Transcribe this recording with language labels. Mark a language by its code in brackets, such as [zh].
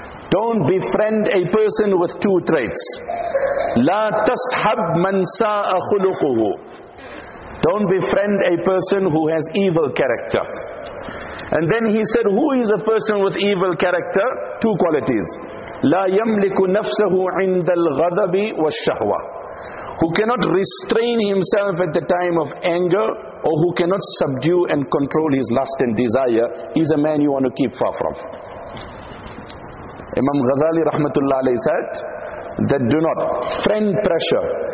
[en] Don't befriend a person with two traits. [ar] لا تصحب من ساء خلقه. [en] Don't befriend a person who has evil character. And then he said, who is a person with evil character? Two qualities. [ar] لا يملك نفسه عند الغضب والشهوة. [en] Who cannot restrain himself at the time of anger, or who cannot subdue and control his lust and desire, is a man you want to keep far from. Imam Ghazali rahmatullah alayhi said that do not friend pressure.